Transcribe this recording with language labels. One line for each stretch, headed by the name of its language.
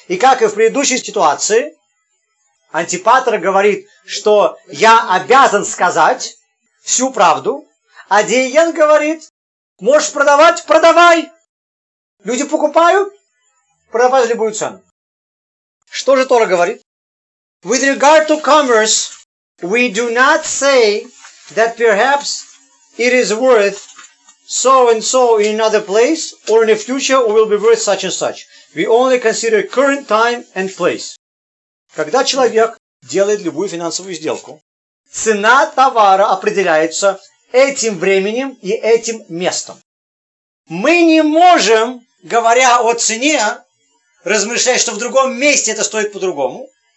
Russian: И как и в предыдущей ситуации, Антипатр говорит, что я обязан сказать всю правду, а Диоген говорит, можешь продавать, продавай. Люди покупают, продавай за любую цену. Что же Тора говорит?
English: With regard to commerce, we do not say that perhaps it is worth so and so in another place or in the future will be worth such and such. We only consider current time and place.
Russian: Когда человек делает любую финансовую сделку, цена товара определяется этим временем и этим местом. Мы не можем, говоря о цене, размышлять, что в другом месте это стоит по-другому.